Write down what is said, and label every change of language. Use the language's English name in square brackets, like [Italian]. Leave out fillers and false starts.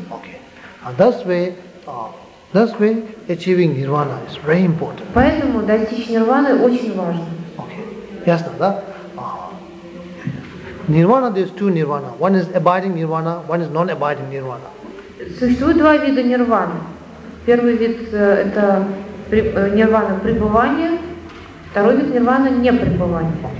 [English] Okay. And that's way achieving nirvana is very important. [Russian] Поэтому достичь нирваны очень важно. Okay. Ясно, да? [English] Nirvana, there's two nirvana. One is abiding nirvana, one is non-abiding nirvana. [Russian] Существует два вида нирваны. Первый вид это нирвана пребывания, второй вид нирвана непребывания.